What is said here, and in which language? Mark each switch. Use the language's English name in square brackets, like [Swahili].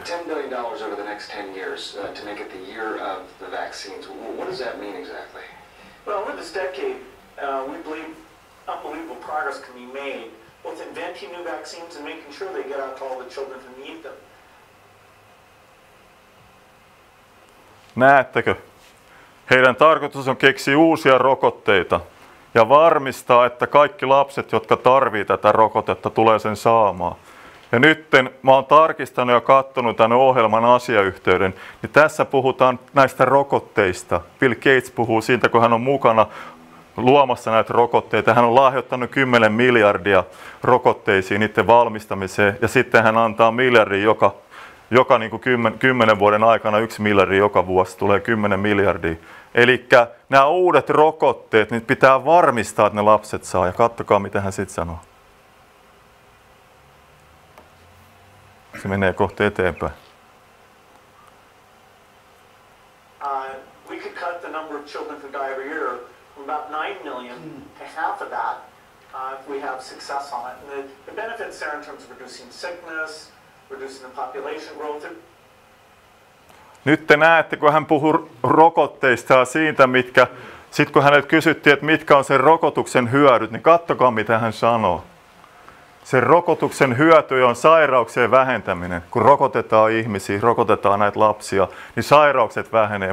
[English] $10 over the next 10 years to make it the year of the vaccines. What does that mean exactly? Well, over this decade, we believe unbelievable progress can be made, both inventing new vaccines and making sure they get out to all the children who need them. [Finnish] Näettekö? Heidän tarkoitus on keksiä uusia rokotteita ja varmistaa, että kaikki lapset, jotka tarvitsevat tätä rokotetta, tulee sen saamaan. Ja nytten mä oon tarkistanut ja katsonut tämän ohjelman asiayhteyden, niin tässä puhutaan näistä rokotteista. Bill Gates puhuu siitä, kun hän on mukana luomassa näitä rokotteita. Hän on lahjoittanut 10 miljardia rokotteisiin niiden valmistamiseen, ja sitten hän antaa miljardin joka niin kuin 10 vuoden aikana, 1 miljardi joka vuosi tulee 10 miljardia. Eli nämä uudet rokotteet, niitä pitää varmistaa, että ne lapset saa. Ja katsokaa, mitä hän sitten sanoo. Se menee kohta eteenpäin. [English] We could cut the number of children who die every year from about 9 million to half of that if we have success on it. And the benefits there in terms of reducing sickness, reducing the population growth. [Finnish] Nyt te näette, kun hän puhuu rokotteista ja siitä, mitkä, sitten kun hänet kysyttiin, että mitkä on sen rokotuksen hyödyt, niin katsokaa, mitä hän sanoo. Sen rokotuksen hyöty on sairauksien vähentäminen. Kun rokotetaan ihmisiä, rokotetaan näitä lapsia, niin sairaukset vähenee.